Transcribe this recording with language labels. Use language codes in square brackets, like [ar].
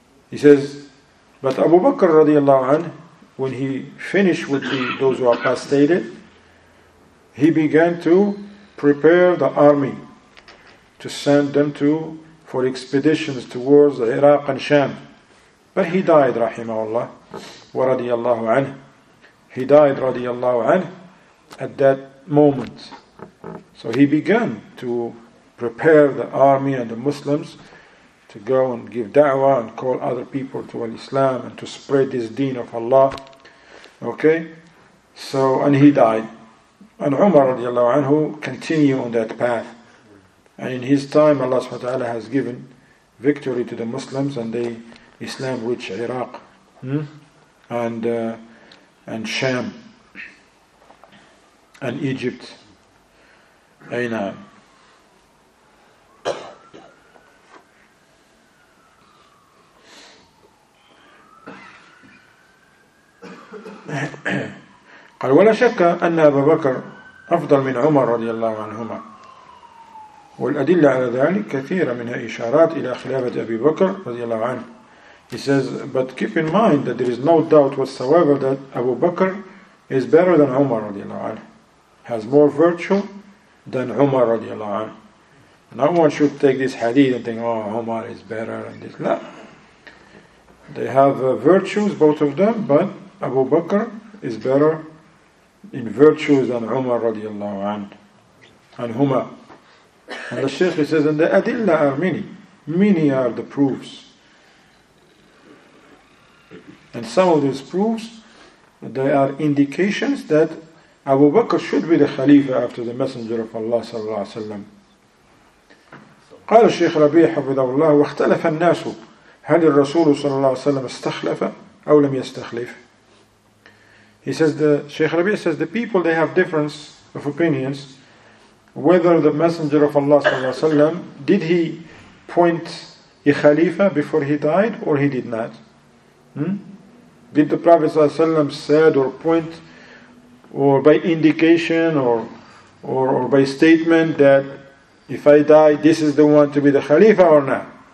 [en] He says, but Abu Bakr [ar] رضي الله عنه, [en] when he finished with those who apostated, he began to prepare the army to send them to for expeditions towards Iraq and Sham. But he died, [ar] رحمه الله ورضي الله عنه. [en] He died, [ar] رضي الله عنه, [en] at that moment. So he began to prepare the army and the Muslims to go and give da'wah and call other people to Islam and to spread this deen of Allah. Okay? So, and he died. And Umar radiallahu anhu continued on that path. And in his time, Allah subhanahu wa ta'ala has given victory to the Muslims, and they Islam reached Iraq and Sham and Egypt. [ar] أي نعم قال ولا شك أن أبا بكر أفضل من عمر رضي الله عنهما، والأدلة على ذلك كثيرة، منها إشارات إلى خلافة أبي بكر رضي الله عنه. [en] He says, but keep in mind that there is no doubt whatsoever that Abu Bakr is better than Umar radiallahu anhu, has more virtue than Umar radiallahu anhu. No one should take this hadith and think, oh, Umar is better than this. No. They have virtues, both of them, but Abu Bakr is better in virtues than Umar radiallahu anhu. And Huma. And the Shaykh says, and the Adilla are many. Many are the proofs. And some of these proofs, they are indications that Abu Bakr should be the Khalifa after the Messenger of Allah [ar] صلى الله عليه وسلم. قال الشيخ ربيع حفظه الله واختلف الناس هل الرسول صلى الله عليه وسلم استخلف أو لم يستخلف. [en] He says the Shaykh Rabi says the people they have difference of opinions whether the Messenger of Allah [ar] صلى الله عليه وسلم [en] did he point a Khalifa before he died or he did not. Did the Prophet ﷺ said or point or by indication or by statement that if I die, this is the one to be the Khalifa or not?